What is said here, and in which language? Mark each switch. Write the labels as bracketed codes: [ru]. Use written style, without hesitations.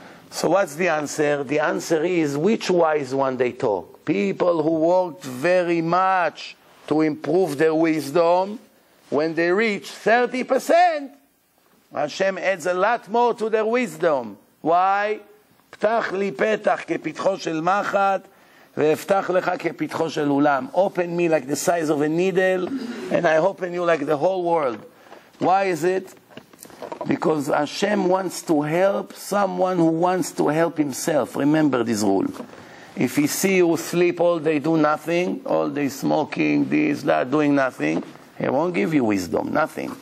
[en] So what's the answer? The answer is, which wise one they talk? People who worked very much to improve their wisdom, when they reach 30%, Hashem adds a lot more to their wisdom. Why? [he] Ptach li petach kepitcho shel machat, ואפתח לך כפתחו של אולם. [en] Open me like the size of a needle, and I open you like the whole world. Why is it? Because Hashem wants to help someone who wants to help himself. Remember this rule. If he see you sleep all day, do nothing, all day smoking, this, that, doing nothing, He won't give you wisdom, nothing.